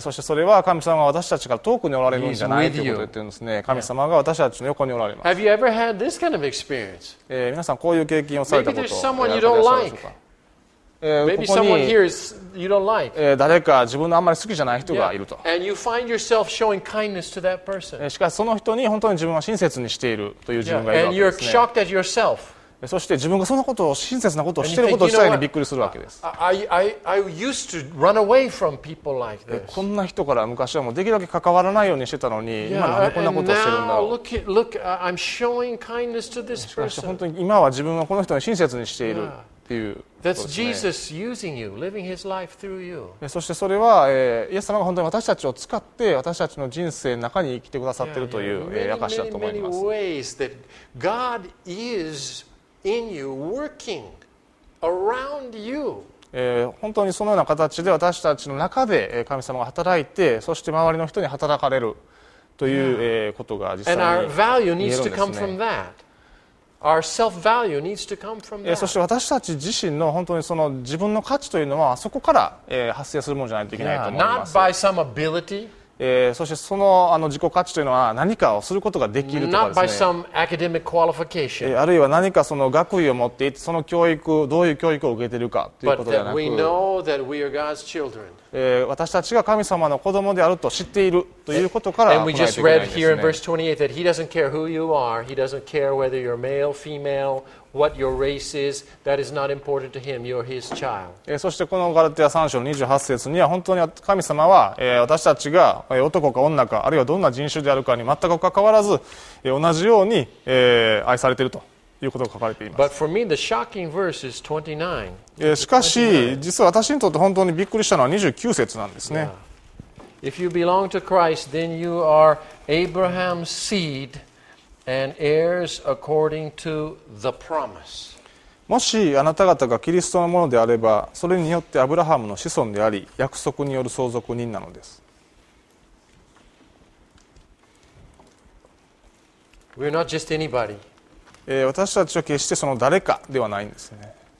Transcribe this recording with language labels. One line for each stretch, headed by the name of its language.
Japanese: そしてそれは神様が私たちから遠くにおられるんじゃないということを言ってるんですね。神様が私たちの横におられます。
English: Have you ever had this kind of experience?
Japanese: 皆さんこういう経験をされたことはあるでしょうか。
English: Maybe there's someone you don't like. Maybe someone here is you don't like.
Japanese: 誰か自分のあんまり好きじゃない人がいると。
English: And you find yourself showing kindness to that person.
Japanese: しかしその人に本当に自分は親切にしているという自分がいるわけですね。
English: And you're shocked at yourself.
Japanese: そして自分がそんなことを親切なことをしていること自体にびっくりするわけです。
English: I used to run away from people like this.
Japanese: こんな人から昔はもうできるだけ関わらないようにしてたのに、今なんでこんなことをしてるんだろう。
English: Look, I'm showing kindness to this person.
Japanese: しかし本当に今は自分はこの人に親切にしている。
English: That's Jesus using you, living His life through you.
Japanese: そしてそれは、イエス様が本当に私たちを使って私たちの人生の中に生きてくださっているという証だと思います。
English: Many ways that God is in you, working around you.
Japanese: 本当にそのような形で私たちの中で神様が働いて、そして周りの人に働かれるという、ことが実際に見えるんですね。
English: Our self-value needs to come from that.
Japanese: そして私たち自身の本当にその自分の価値というのはそこから発生するものじゃないといけないと思います。
English: Not by some ability.
Japanese: そしてそ の, あの自己価値というのは何かをすることができるとかですね、
English: Not by some academic qualification.
Japanese: あるいは何かその学位を持っていて、その教育、どういう教育を受けているかということではなく、
English: But that we know that we are God's children.
Japanese: 私たちが神様の子供であると知っているということから
English: And we just read here in verse 28 that he doesn't care who you are. He doesn't care whether you're male, female, what your race is. That is not important to him. You're his child.
Japanese: そしてこのガラテヤ3章28節には本当に神様は私たちが男か女かあるいはどんな人種であるかに全く関わらず同じように愛されているということが書かれています。
English: But for me, the shocking verse is 29.
Japanese: しかし実は私にとって本当にびっくりしたのは29節なんですね。
English: Yeah. If you belong to Christ, then you are Abraham's seed and heirs according to the promise.
Japanese: もしあなた方がキリストのものであれば、それによってアブラハムの子孫であり、約束による相続人なのです。
English: We're not just anybody.
Japanese: 私たちは決してその誰かではないんですね。